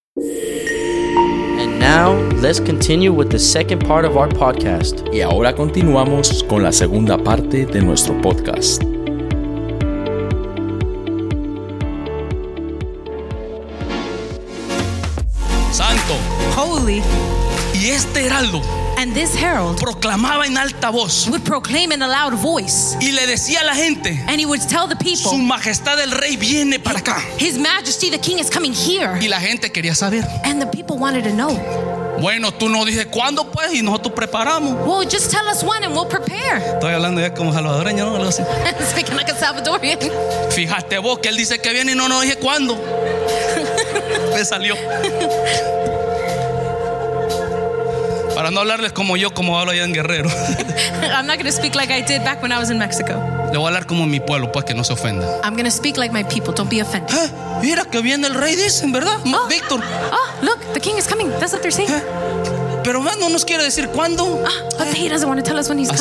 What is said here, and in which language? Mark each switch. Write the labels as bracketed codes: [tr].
[en] And now, let's continue with the second part of our podcast. [es] Y ahora continuamos con la segunda parte de nuestro podcast. Santo. [en] Holy. [es] Y este heraldo. [en] And this herald [es] proclamaba en alta voz, [en] would proclaim in a loud voice. [es] Y le decía a la gente, [en] and he would tell the people, [es] Su majestad el rey viene para acá. [en] His majesty the king is coming here. [es] Y la gente quería saber. [en] And the people wanted to know. [es] Bueno, tú no dices cuándo pues y nosotros preparamos. [en] Well, just tell us when and we'll prepare. [es] Estoy hablando ya como salvadoreño, ¿no? Algo así. [en] Speaking like a Salvadorian. [es] Fíjate vos que él dice que viene y no nos dice cuándo. Me salió. Para no hablarles como yo, como hablo allá en Guerrero. [en] I'm not going to speak like I did back when I was in Mexico. [es] Le voy a hablar como mi pueblo, pues que no se ofenda. [en] I'm going to speak like my people, don't be offended. [es] Mira que viene el rey, dicen, ¿verdad? Oh, Víctor. [en] Oh, look, the king is coming. That's what they're saying. [es] Pero no nos quiere decir cuándo. [en] But he doesn't want to tell us when he's coming.